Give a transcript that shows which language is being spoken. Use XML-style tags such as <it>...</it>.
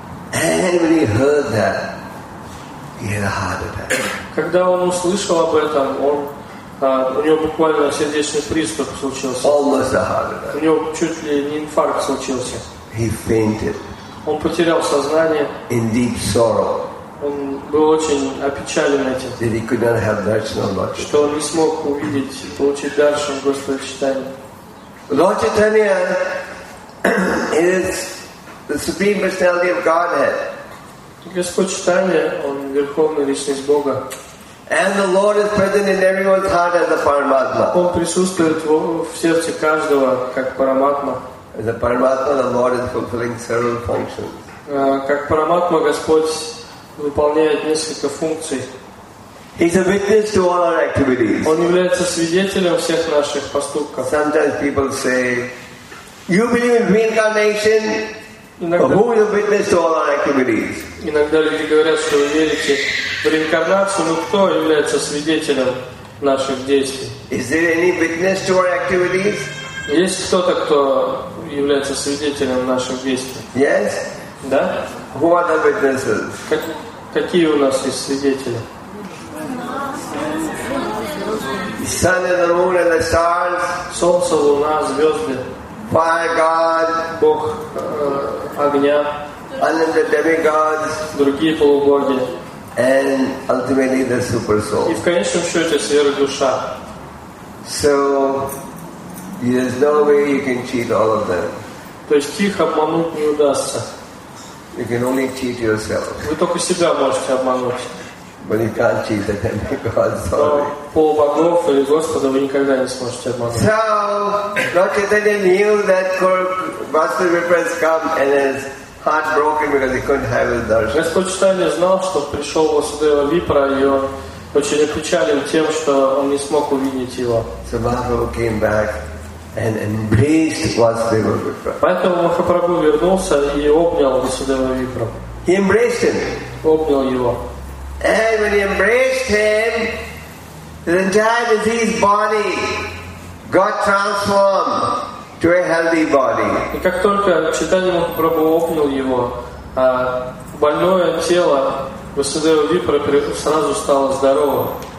<en>And when he heard that, he had a heart attack.</en> <ru>Когда он услышал об этом, он у него буквально сердечный приступ случился.</ru> <en>Almost a heart attack.</en> <ru>У него чуть ли не инфаркт случился.</ru> <en>He fainted.</en> <ru>Он потерял сознание.</ru> <en>In deep sorrow.</en> <ru>Он был очень опечален этим.</ru> <en>That he could not have darshan of Lord.</en> <ru>Что он не смог увидеть, получить даршан Господа Читания.</ru> <en>Lord Chaitanya is the supreme personality of Godhead.</en> <ru>Господь Читания, он верховная личность Бога.</ru> <en>And the Lord is present in everyone's heart as the Paramatma.</en> <ru>Он присутствует в сердце каждого как Параматма.</ru> <en>As the Paramatma, the Lord is fulfilling several functions.</en> <ru>Как Параматма, Господь выполняет несколько функций.</ru> <en>He's a witness to all our activities.</en> <ru>Он является свидетелем всех наших поступков.</ru> <en>Sometimes people say, "You believe in reincarnation? Who is a witness to all our activities?"</en> <ru>Иногда люди говорят, что вы верите в реинкарнацию, но кто является свидетелем наших действий?</ru> <en>Is there any witness to our activities?</en> <ru>Есть кто-то, кто является свидетелем наших действий?</ru> <en>Yes.</en> <ru>Да?</ru> <en>Who are the witnesses?</en> <ru>Какие у нас есть свидетели?</ru> <en>Sun and the moon and the stars.</en> <ru>Солнце, луна, звезды.</ru> <en>Fire God.</en> <ru>Бог огня.</ru> <en>And the demigods,</en> <ru>другие полубоги,</ru> <en>and ultimately the super soul.</en> <ru>И в конечном счете сверхдуша.</ru> <en>So there's no way you can cheat all of them.</en> <ru>То есть их обмануть не удастся.</ru> <en>You can only cheat yourself.</en> <ru>Вы только себя можете обмануть.</ru> <en>But you can't cheat the demigods.</en> <ru>Полубогов или Господа вы никогда не сможете обмануть.</ru> <en>So Lord Chaitanya knew that Vasudeva Prince come and is heartbroken because he couldn't have his darshan.</en> <ru>Господь Читания знал, что пришел Васудева Випра, и он очень опечален тем, что он не смог увидеть его.</ru> <en>So Mahaprabhu came back and embraced Васудева Випра.</en> <ru>Поэтому Махапрабху вернулся и обнял Васудева Випра.</ru> <en>He embraced him.</en> <ru>Обнял его.</ru> <en>And when he embraced him, the entire diseased body got transformed to a healthy body.</en> <ru>И как только Читания Махапрабху обнял его, больное тело Васудева Випра сразу стало здоровым.</ru>